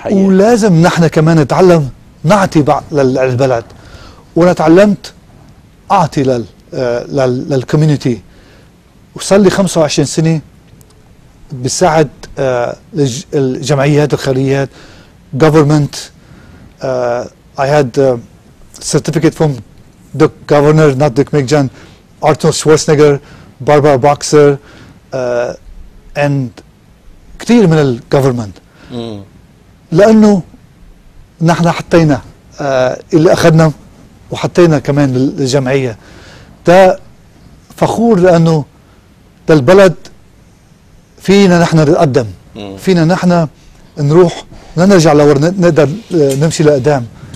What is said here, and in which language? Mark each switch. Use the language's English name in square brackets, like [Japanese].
[Arabic] حقيقي ولازم نحن كمان نتعلم نعطي للبلد. وانا تعلمت اعطي للكوميونتي وصل لي 25 سنة بساعد الجمعيات الخيريات government. [English] I had certificate from the governor, not Dick McJohn, Arthur Schwarzenegger, Barbara Boxer, and [Arabic] كثير من ال [English] government. [Arabic] لأنه نحن حطينا اللي أخذنا وحطينا كمان الجمعية. ده فخور لأنه ده البلد فينا نحن نتقدم. فينا نحن نروح نرجع لورا نقدر نمشي لقدام.